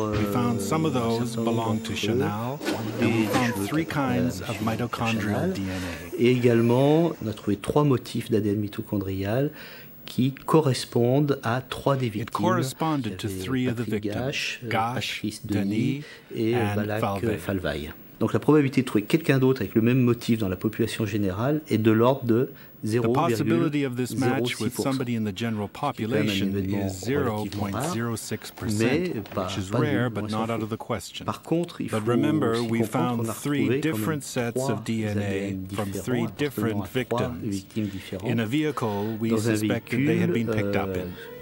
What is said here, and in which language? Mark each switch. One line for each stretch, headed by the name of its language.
English: we found some of those belong to Chanel and we found three kinds of mitochondrial DNA.
French: Et également, on a trouvé trois motifs d'ADN mitochondrial qui correspondent à trois des victimes.
English: It corresponded to three of the victims,
French: Gash, Patrice Denis et Balak Falvaille. Donc la probabilité de trouver quelqu'un d'autre avec le même motif dans la population générale est de l'ordre de 0,06%.
English: The possibility of this match with somebody in the general population is 0.06%, which is rare, but not out of the question. DNA from three different victims in a vehicle we suspected they had been picked up in.